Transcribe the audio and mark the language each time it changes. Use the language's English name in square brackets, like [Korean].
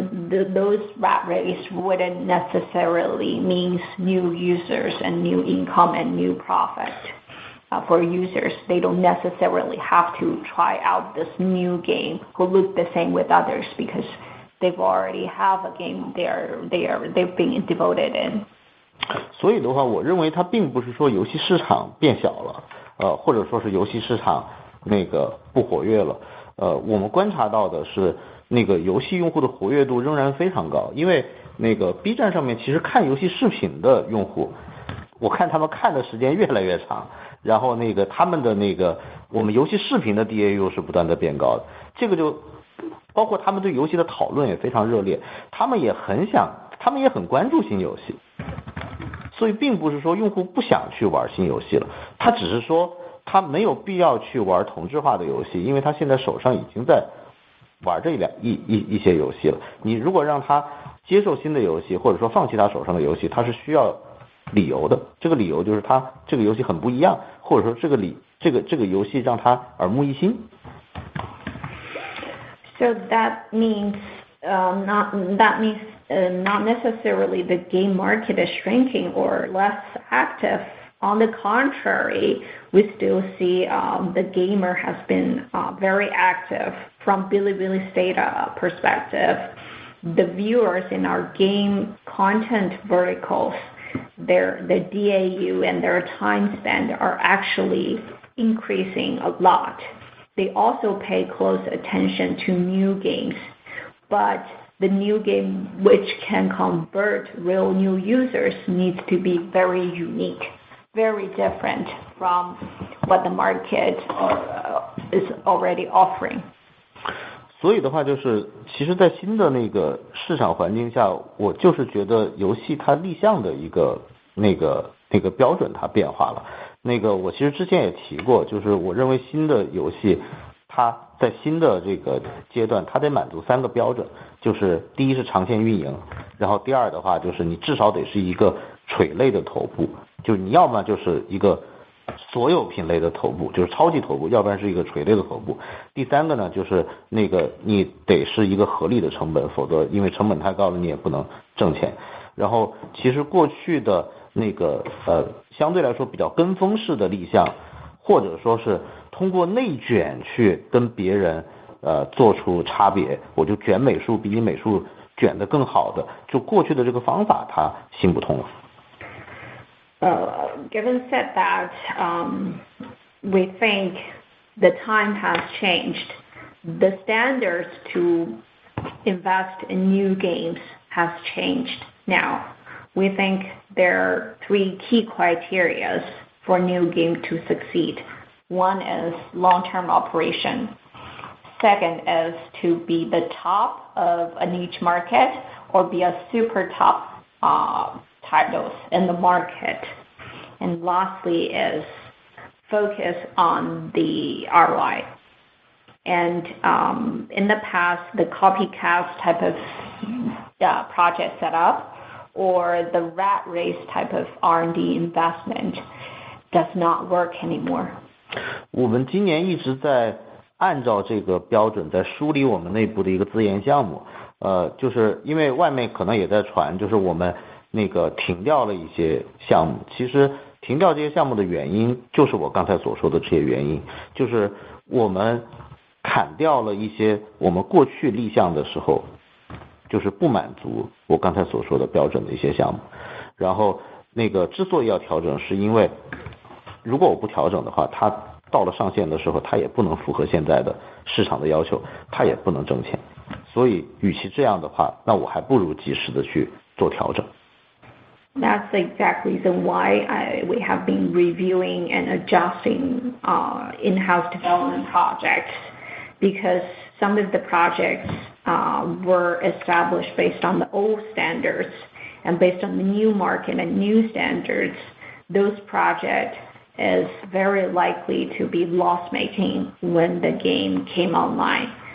[English] Those rat race wouldn't necessarily mean new users and new income and new profit for users. They don't necessarily have to try out this new game who look the same with others because they've already have a game they've been devoted in. [Chinese] 所以的话，我认为它并不是说游戏市场变小了，或者说是游戏市场那个不活跃了，我们观察到的是那个游戏用户的活跃度仍然非常高，因为那个 B 站上面其实看游戏视频的用户，我看他们看的时间越来越长，然后那个他们的那个我们游戏视频的 DAU 是不断的变高的，这个就包括他们对游戏的讨论也非常热烈，他们也很关注新游戏，所以并不是说用户不想去玩新游戏了，他只是说他没有必要去玩同质化的游戏，因为他现在手上已经在玩这一些游戏了。你如果让他接受新的游戏，或者说放弃他手上的游戏，他是需要理由的。这个理由就是他这个游戏很不一样，或者说这个游戏让他耳目一新。 [English] So that means not necessarily the game market is shrinking or less active. On the contrary, we still see the gamer has been very active from Bilibili's data perspective. The viewers in our game content verticals, their DAU and their time spent are actually increasing a lot. They also pay close attention to new games, but the new game which can convert real new users needs to be very unique, very different from what the market is already offering. [Chinese] 所以的话就是其实在新的那个市场环境下，我就是觉得游戏它立项的一个那个标准它变化了。那个我其实之前也提过，就是我认为新的游戏它在新的这个阶段它得满足三个标准，就是第一是长线运营，然后第二的话就是你至少得是一个垂类的头部，就是你要么就是一个所有品类的头部，就是超级头部，要不然是一个垂类的头部。第三个呢就是那个你得是一个合理的成本，否则因为成本太高了你也不能挣钱。然后其实过去的那个相对来说比较跟风式的立项，或者说是通过内卷去跟别人做出差别，我就卷美术比你美术卷得更好的，就过去的这个方法它行不通了。 [English] Given said that, we think the time has changed. The standards to invest in new games has changed now. We think there are three key criteria for new game to succeed. One is long-term operation. Second is to be the top of a niche market or be a super top titles in the market. And lastly is focus on the ROI. And in the past, the copycat type of project setup or the rat race type of R&D investment does not work anymore. [Chinese] 我们今年一直在按照这个标准在梳理我们内部的一个自研项目，就是因为外面可能也在传就是我们那个停掉了一些项目，其实停掉这些项目的原因就是我刚才所说的这些原因，就是我们砍掉了一些我们过去立项的时候就是不满足我刚才所说的标准的一些项目。然后那个之所以要调整是因为如果我不调整的话，它到了上线的时候它也不能符合现在的市场的要求，它也不能挣钱，所以与其这样的话，那我还不如及时的去做调整。 [English] That's the exact reason why we have been reviewing and adjusting in-house development projects, because some of the projects were established based on the old standards, and based on the new market and new standards, those project is very likely to be loss-making when the game came online.